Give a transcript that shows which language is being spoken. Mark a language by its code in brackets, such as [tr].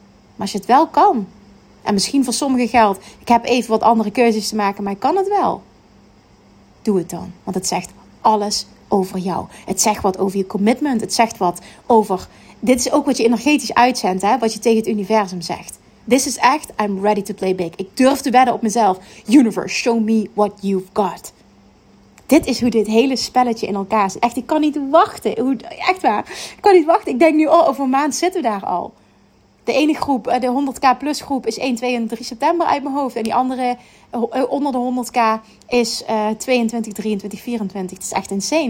[nl] Maar als je het wel kan, en misschien voor sommigen geldt, ik heb even wat andere keuzes te maken, maar ik kan het wel. Doe het dan, want het zegt alles over jou. Het zegt wat over je commitment, het zegt wat over, dit is ook wat je energetisch uitzendt, hè? Wat je tegen het universum zegt. [en] This is echt, I'm ready to play big. [nl] Ik durf te wedden op mezelf. [en] Universe, show me what you've got. [nl] Dit is hoe dit hele spelletje in elkaar zit. Echt, ik kan niet wachten. Echt waar. Ik kan niet wachten. Ik denk nu, over een maand zitten we daar al. De ene groep, de 100k plus groep, is 1, 2 en 3 september uit mijn hoofd. En die andere onder de 100k is 22, 23, 24. Het is echt insane.